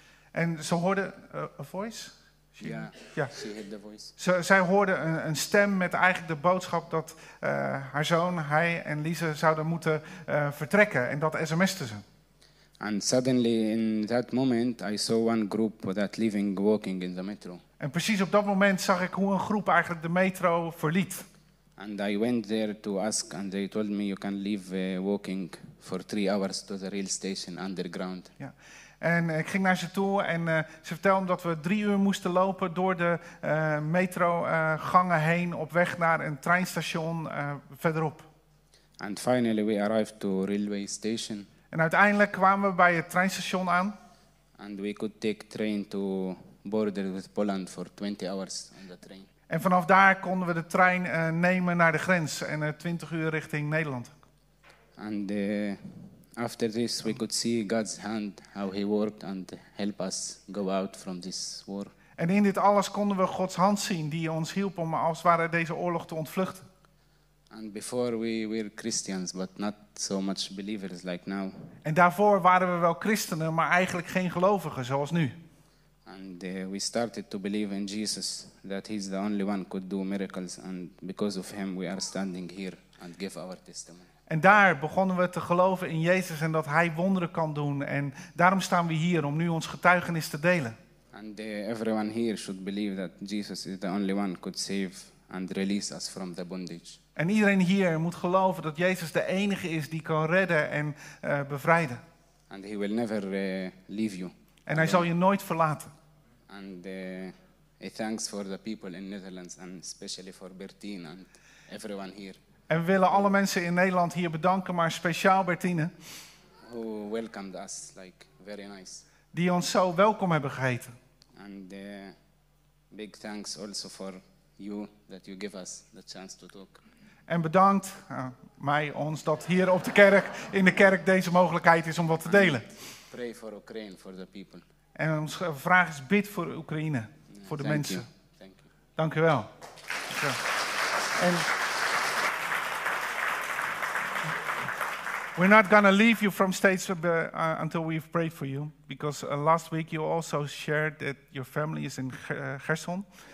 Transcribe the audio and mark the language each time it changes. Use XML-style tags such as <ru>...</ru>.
<nl>En ze hoorde een voice?</nl> <en>She heard the voice.</en> <nl>Zij hoorde een stem met eigenlijk de boodschap dat haar zoon, hij en Lisa zouden moeten vertrekken. En dat sms'te ze.</nl> <en>And suddenly in that moment I saw one group that leaving walking in the metro.</en> <nl>En precies op dat moment zag ik hoe een groep eigenlijk de metro verliet.</nl> <en>And I went there to ask and they told me you can leave walking for 3 hours to the rail station underground. Ja.</en> <nl>En ik ging naar ze toe en ze vertelden dat we 3 uur moesten lopen door de metro gangen heen op weg naar een treinstation verderop.</nl> <en>And finally we arrived to railway station.</en> <nl>En uiteindelijk kwamen we bij het treinstation aan.</nl> <en>And we could take train to border with Poland for 20 hours on the train.</en> <nl>En vanaf daar konden we de trein nemen naar de grens en 20 uur richting Nederland.</nl> <en>And After this, we could see God's hand, how He worked and help us go out from this war.</en> <nl>En in dit alles konden we Gods hand zien die ons hielp om als het ware deze oorlog te ontvluchten.</nl> <en>And before we were Christians, but not so much believers like now.</en> <nl>En daarvoor waren we wel christenen, maar eigenlijk geen gelovigen zoals nu.</nl> <en>And we started to believe in Jesus, that He's the only one could do miracles, and because of Him we are standing here and give our testimony.</en> <nl>En daar begonnen we te geloven in Jezus en dat Hij wonderen kan doen. En daarom staan we hier om nu ons getuigenis te delen.</nl> <en>And everyone here should believe that Jesus is the only one could save and release us from the bondage.</en> <nl>En iedereen hier moet geloven dat Jezus de enige is die kan redden en bevrijden.</nl> <en>And He will never leave you.</en> <nl>En Hij zal je nooit verlaten.</nl> <en>And thanks for the people in Netherlands and especially for Bertine and everyone here.</en> <nl>En we willen alle mensen in Nederland hier bedanken, maar speciaal Bertine.</nl> <en>Who welcomed us, like, very nice.</en> <nl>Die ons zo welkom hebben geheten.</nl> <en>And big thanks also for you that you give us the chance to talk.</en> <nl>En bedankt mij ons dat hier op de kerk, in de kerk deze mogelijkheid is om wat te delen.</nl> <en>And pray for Ukraine, for the people.</en> <nl>En onze vraag is bid voor Oekraïne, voor de</nl> <en>thank</en> <nl>mensen.</nl> <en>You. Thank you.</en> <nl>Dank u wel. Ja.</nl> <en>En we're not going to leave you from States until we've prayed for you. Because last week you also shared that your family is in Gerson.</en>